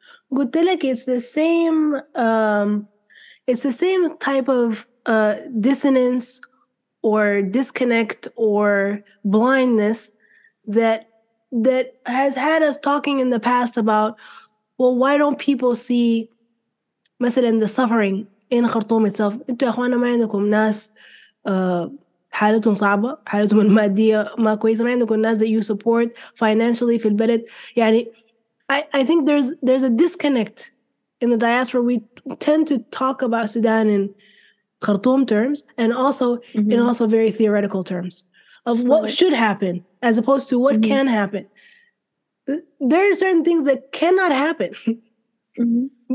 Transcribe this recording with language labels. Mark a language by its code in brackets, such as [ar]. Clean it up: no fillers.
[ar] قلت لك [en] it's the same. It's the same type of dissonance or disconnect or blindness that has had us talking in the past about, well, why don't people see, [ar] مثلا, [en] the suffering in Khartoum itself? [ar] انتوا يا اخوانا ما عندكم ناس حالتهم صعبة, حالتهم المادية ما كويسة, ما عندكم ناس [en] that you support financially [ar] في البلد. يعني [en] I think there's a disconnect in the diaspora. We tend to talk about Sudan in Khartoum terms and also mm-hmm. in also very theoretical terms of what right. should happen as opposed to what mm-hmm. can happen. There are certain things that cannot happen mm-hmm.